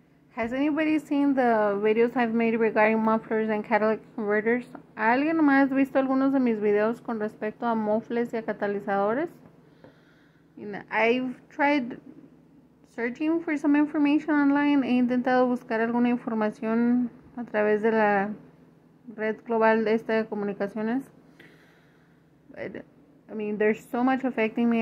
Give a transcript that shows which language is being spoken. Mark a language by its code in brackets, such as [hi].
[en] Has anybody seen the videos I've made regarding mufflers and catalytic converters? [es] ¿Alguien más ha visto algunos de mis videos con respecto a mufflers y a catalizadores? [en] I've tried searching for some information online. [es] He intentado buscar alguna información a través de la red global de esta de comunicaciones. [en] But, I mean, there's so much affecting me.